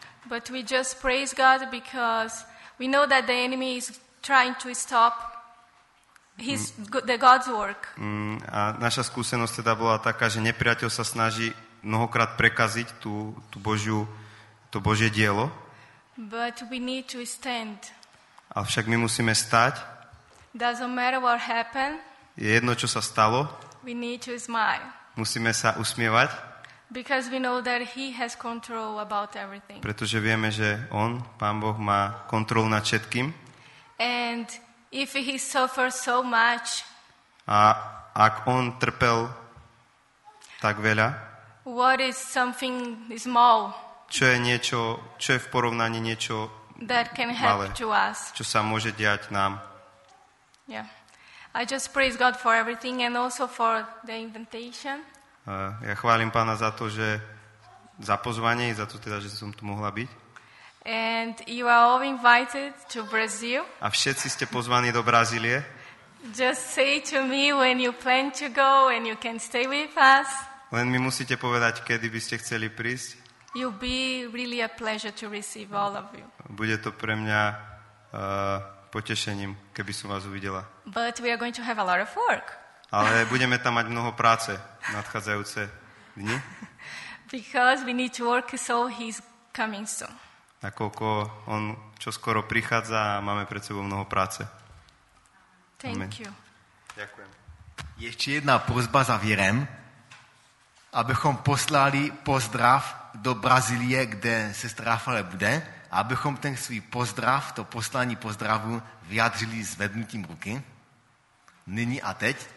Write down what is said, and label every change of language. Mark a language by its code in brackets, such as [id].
[en] But we just praise God because we know that the enemy is trying to stop the God's work. [sk] A naša skúsenosť teda bola taká, že nepriateľ sa snaží mnohokrát prekaziť to Božie dielo. [en] But we need to stand. [sk] Ale však my musíme stať. [en] Doesn't matter what happened. [sk] Je jedno, čo sa stalo. [en] We need to smile. [sk] Musíme sa usmievať. [en] Because we know that he has control about everything. [sk] Pretože vieme, že on, Pán Boh, má kontrolu nad všetkým. [en] And if he suffers so much, [sk] a ak on trpel tak veľa, [en] what is something small, [sk] čo je niečo, čo je v porovnaní niečo [en] that can [sk] malé, [en] help to us. [sk] Čo sa môže diať nám. [en] Yeah. I just praise God for everything and also for the invitation. [sk] Ja chválim Pána za to, že za pozvanie i za to teda, že som tu mohla byť. [en] And you are all invited to Brazil. [sk] A všetci ste pozvaní do Brazílie. [en] Just say to me when you plan to go and you can stay with us. [sk] Len mi musíte povedať, kedy by ste chceli prísť. [en] You'll be really a pleasure to receive all of you. [sk] Bude to pre mňa potešením, keby som vás uvidela. [en] But we are going to have a lot of work. [sk] Ale budeme tam mať mnoho práce v nadchádzajúce dni. [en] Because we need to work, so he's coming soon. [sk] Nakoľko on čoskoro prichádza a máme pred sebou mnoho práce. [en] Thank Amen. You. [sk] Ďakujem. [cs] Ešte jedna prosba za Virem, abychom poslali pozdrav do Brazílie, kde sestra Fale bude, abychom ten svůj pozdrav, to poslání pozdravu vyjadřili zvednutím ruky. Nyní a teď.